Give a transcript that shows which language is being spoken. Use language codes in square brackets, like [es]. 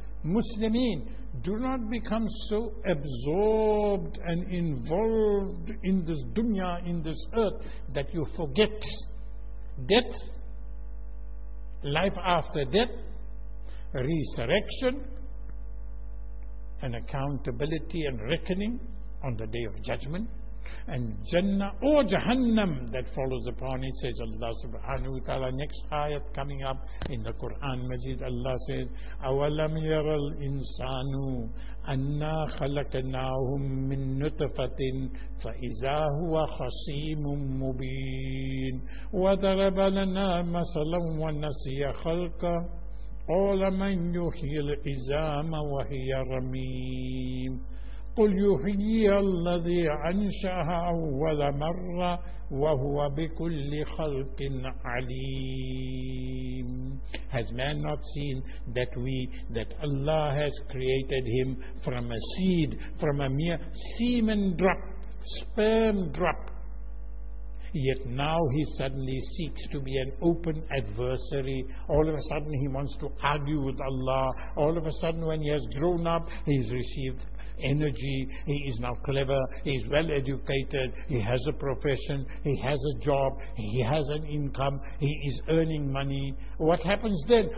[en] Muslimin, do not become so absorbed and involved in this dunya, in this earth, that you forget death, life after death, resurrection, and accountability and reckoning on the day of judgment, and Jannah or Jahannam that follows upon it, says Allah subhanahu wa ta'ala. Next ayat coming up in the Quran Majid, Allah says, [ar] أَوَلَمْ يَرَ الْإِنسَانُ أَنَّا خَلَقْنَاهُمْ مِنْ نُطْفَةٍ فَإِذَا هُوَ خَصِيمٌ مُبِينٌ وَضَرَبَ لَنَا مَثَلًا وَنَسِيَ خَلْقَهُ قَالَ مَنْ يُحْيِي الْعِظَامَ وَهِيَ رَمِيمٌ قُلْ يُحْيِيهَا الَّذِي أَنْشَأَهَا أَوَّلَ مَرَّةٍ وَهُوَ بِكُلِّ خَلْقٍ عَلِيمٌ. [en] Has man not seen that Allah has created him from a seed, from a mere semen drop, sperm drop? Yet now he suddenly seeks to be an open adversary. All of a sudden he wants to argue with Allah. All of a sudden when he has grown up, he has received energy, he is now clever, he is well educated, he has a profession, he has a job, he has an income, he is earning money. What happens then?